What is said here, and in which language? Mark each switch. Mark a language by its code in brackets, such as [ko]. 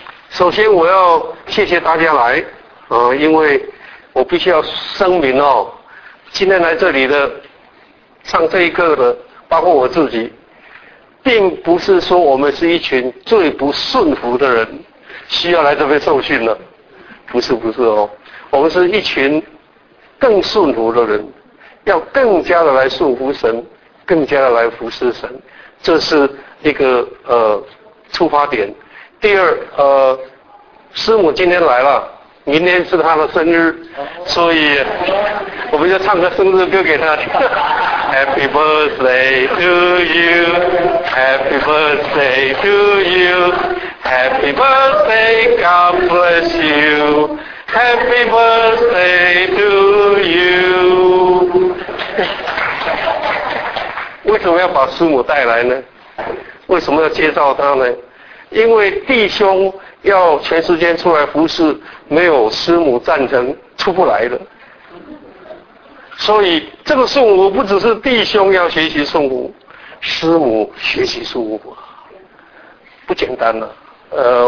[zh] 首先我要谢谢大家来，因为我必须要声明哦，今天来这里的上这一课的包括我自己，并不是说我们是一群最不顺服的人需要来这边受训了，不是哦，我们是一群更顺服的人，要更加的来顺服神，更加的来服侍神，这是一个出发点。第二，师母今天来了，明天是他的生日，所以我们就唱个生日歌给他。 [en] Happy birthday to you, Happy birthday to you, Happy birthday, God bless you, Happy birthday to you. [zh] 为什么要把师母带来呢？为什么要介绍他呢？因为弟兄要全时间出来服侍，没有师母赞成出不来的，所以这个顺服不只是弟兄要学习顺服，师母学习顺服不简单了。